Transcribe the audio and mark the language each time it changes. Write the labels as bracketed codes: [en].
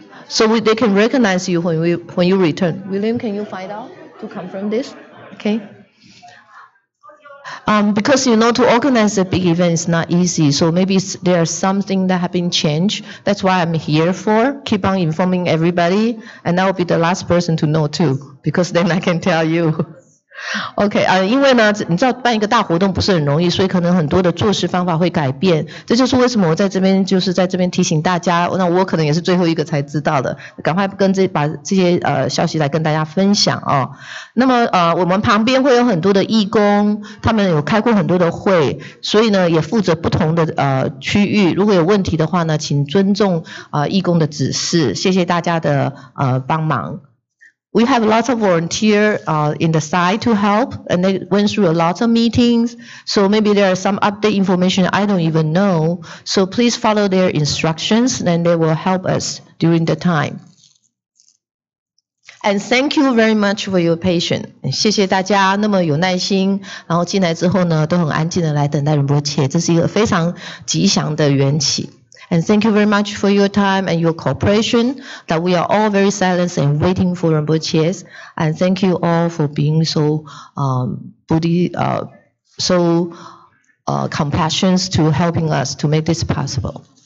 [en] So they can recognize you when you return. William, can you find out to confirm this? Okay. Because you know to organize a big event is not easy. So maybe there is something that has been changed. That's why I'm here for. Keep on informing everybody. And I will be the last person to know too. Because then I can tell you. [zh] Okay, 因为呢，你知道办一个大活动不是很容易，所以可能很多的做事方法会改变。这就是为什么我在这边，就是在这边提醒大家。那我可能也是最后一个才知道的，赶快跟把这些消息来跟大家分享哦。那么我们旁边会有很多的义工，他们有开过很多的会，所以呢也负责不同的区域。如果有问题的话呢，请尊重义工的指示。谢谢大家的帮忙。 [en] We have lots of volunteers in the side to help, and they went through a lot of meetings. So maybe there are some update information I don't even know. So please follow their instructions, and they will help us during the time. And thank you very much for your patience. [zh] 谢谢大家那么有耐心，然后进来之后呢，都很安静的来等待仁波切，这是一个非常吉祥的缘起。 [en] And thank you very much for your time and your cooperation that we are all very silent and waiting for Rinpoche's. And thank you all for being so compassionate to helping us to make this possible.